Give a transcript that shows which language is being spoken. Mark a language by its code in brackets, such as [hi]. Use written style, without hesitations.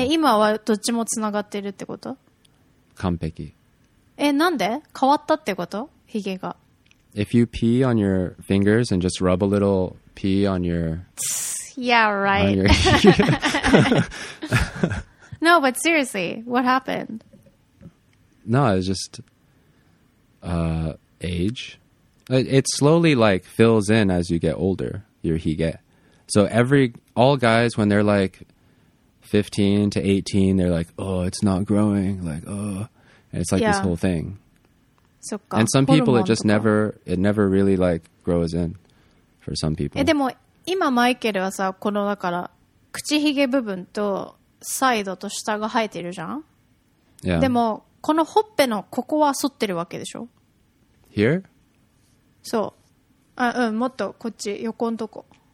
[ja] 今はどっちもつながってるってこと? 完璧。なんで? 変わったってこと?ヒゲが。 [en] If you pee on your fingers and just rub a little pee on your... Yeah, right. Your, No, but seriously, what happened? No, it was just age. It slowly like fills in as you get older, your hige. So all guys, when they're like 15 to 18, they're like, oh, it's not growing. Like, oh, and it's like this whole thing. So, and some people, it never really like grows in for some people. [ja] でも今マイケルはさ、このだから口ひげ部分とサイドと下が生えてるじゃん。 [en] Yeah. [ja] でもこのほっぺのここは剃ってるわけでしょ。 [en] Here? [ja] そう。あ、うん、もっとこっち横んとこ。